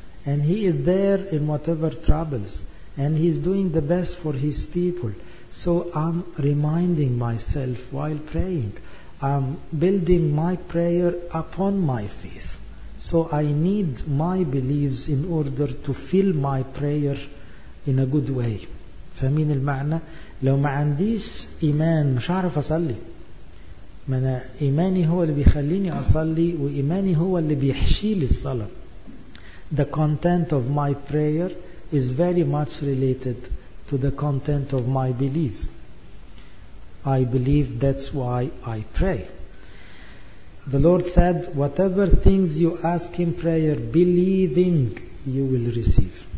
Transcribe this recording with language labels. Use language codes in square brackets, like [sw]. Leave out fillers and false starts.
[en] And He is there in whatever troubles. And He is doing the best for His people. So I'm reminding myself while praying. I'm building my prayer upon my faith. So I need my beliefs in order to fill my prayer in a good way. [ar] فاهمين المعنى؟ لو ما عنديش إيمان مش عارف أصلي. ما أنا إيماني هو اللي بيخليني أصلي، وإيماني هو اللي بيحشيل الصلاة. [en] The content of my prayer is very much related to the content of my beliefs. I believe, that's why I pray. The Lord said, whatever things you ask in prayer, believing, you will receive.